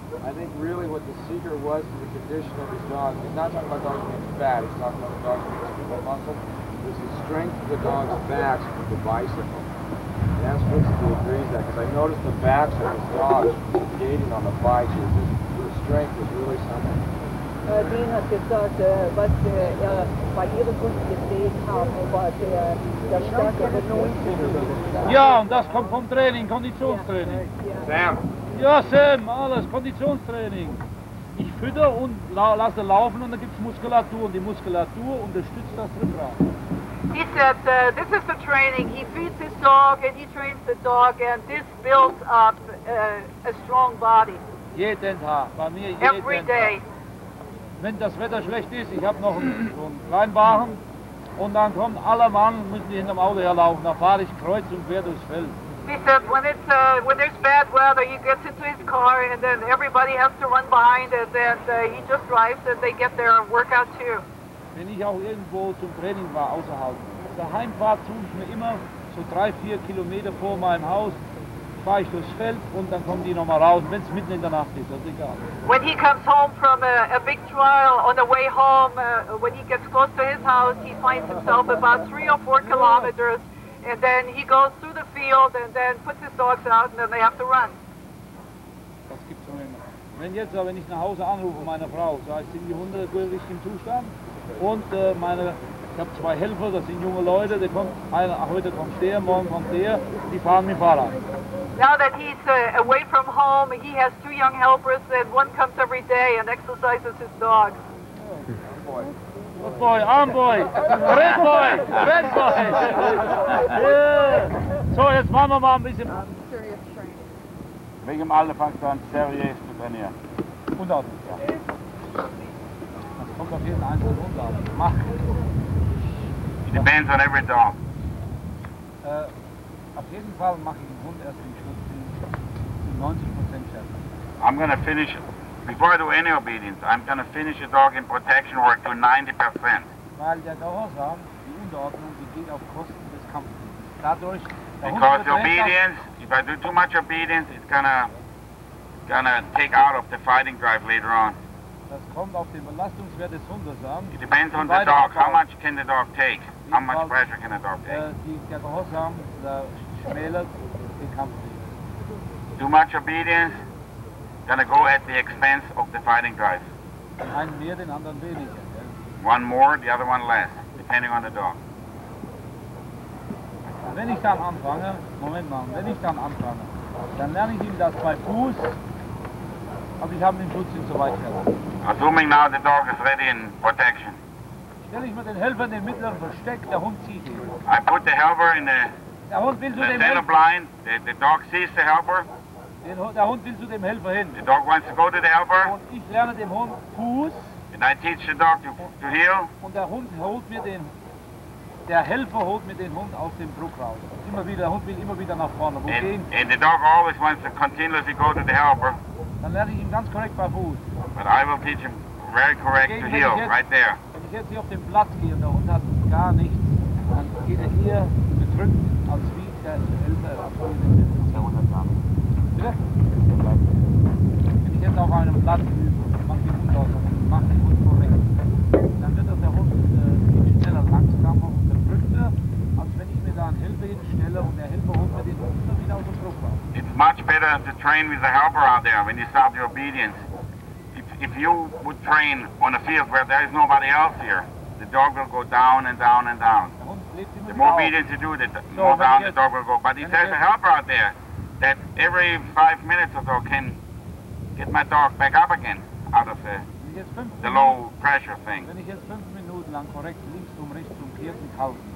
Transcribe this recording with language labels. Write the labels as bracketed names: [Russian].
[English] I think really what the secret was to the condition of his dogs, he's not talking about dogs being fat, he's talking about the dogs being muscle, was the strength of the dog's backs with the bicycle. And that's Fritz who agrees that, because I noticed the backs of his dogs gating on the bike, the strength was really something. [German] Dean hat gesagt, was er bei ihrem Hund gesehen hat, war der stärkere Neunziger. Ja, und das kommt vom Training, Konditionstraining. Sam. Ja, Sam, alles, Konditionstraining. Ich fütter und lasse laufen und dann gibt es Muskulatur und die Muskulatur unterstützt das Rückgrat. [English] He said, this is the training. He feeds his dog and he trains the dog and this builds up a strong body. [German] Jeden Tag, bei mir jeden Tag. [English] Every day. [German] Wenn das Wetter schlecht ist, ich habe noch einen Kleinwagen und dann kommt alle Mann und müssen hinterm Auto herlaufen. Da fahre ich kreuz und quer durchs Feld. [English] He said, when there's bad weather, he gets into his car and then everybody has to run behind and then he just drives and they get their workout too. [German] Wenn ich auch irgendwo zum Training war, außerhalb, der Heimfahrt suche ich mir immer so 3-4 Kilometer vor meinem Haus. Fahre ich durchs Feld und dann kommen die nochmal raus, wenn es mitten in der Nacht ist, das ist egal. [English] When he comes home from a big trial on the way home, when he gets close to his house, he finds himself about 3 or 4 kilometers and then he goes through the field and then puts his dogs out and then they have to run. [German] Das gibt's schon immer. Wenn jetzt aber ich nach Hause anrufe, meine Frau, so heißt, sind die Hunde wirklich im Zustand? Und meine, ich habe zwei Helfer, das sind junge Leute, die kommen, einer, ach, heute kommt der, morgen kommt der, die fahren mit dem Fahrrad. [English] Now that he's away from home, he has two young helpers, and one comes every day and exercises his dog. Good boy, arm boy, red boy, red boy. Yeah. [German] So, jetzt machen wir mal ein bisschen. Wegen alle Faktoren seriös zu trainieren. Und auch nicht, ja. Das kommt auf jeden einzelnen Hund an. Mach. [English] It depends on every dog. [German] Auf jeden Fall mache ich den Hund erst im Schutz. 90% schärfer. [English] I'm gonna finish, before I do any obedience, I'm gonna finish a dog in protection work to 90%. [German] Weil der Gehorsam, die Unterordnung, die geht auf Kosten des Kampfes. Dadurch, [English] because the obedience, if I do too much obedience, it's gonna take out of the fighting drive later on. [German] Das kommt auf den Belastungswert des Hundes an. [English] It depends on the dog. How much can the dog take? How much pressure can the dog take? [German] Der Gehorsam, der schmälert den Kampf. [English] Too much obedience, gonna go at the expense of the fighting drive. [German] Einen mehr, den anderen weniger. [English] One more, the other one less, depending on the dog. [German] Wenn ich dann anfange, Moment mal, wenn ich dann anfange, dann lerne ich ihm das bei Fuß, aber ich habe den Schutz ihn so weit gelassen. [English] Assuming now the dog is ready in protection. [German] Stelle ich mir den Helfer in den mittleren Versteck, der Hund zieht ihn. [English] I put the helper in the, [German] der Hund will zu [English] the [German] dem [English] center blind, the dog sees the helper. [German] Der Hund will zu dem Helfer hin. [English] The dog wants to go to the helper. [German] Und ich lerne dem Hund Fuß. [English] And I teach the dog to heal. [German] Und der Hund holt mir den, der Helfer holt mir den Hund aus dem Druck raus. Immer wieder, der Hund will immer wieder nach vorne. Wo [English] and, [German] gehen? [English] And the dog always wants to continuously go to the helper. [German] Dann lerne ich ihn ganz korrekt bei Fuß. [English] But I will teach him very correct to heal, jetzt, right there. [German] Wenn ich jetzt hier auf den Platz gehe und der Hund hat gar nichts, dann geht er hier gedrückt als wie der Helfer. Wenn ich jetzt auf einem Platz übe, mach den Hund aus, mach den Hund korrekt, dann wird das der Hund viel schneller, langsamer und gedrückter, als wenn ich mir da einen Helfer hinstelle und der Helfer holt mir den Hund dann wieder aus dem Druck raus. [English] It's much better to train with a helper out there when you start your obedience. If you would train on a field where there is nobody else here, the dog will go down and down and down. [German] Der Hund lebt immer [English] the more obedience you do, the so, more down the dog will go. But if there's a helper out there, that every 5 minutes or so can get my dog back up again out of the low pressure thing. [German] Wenn ich jetzt 5 Minuten lang korrekt links zum rechts zum vierten halte.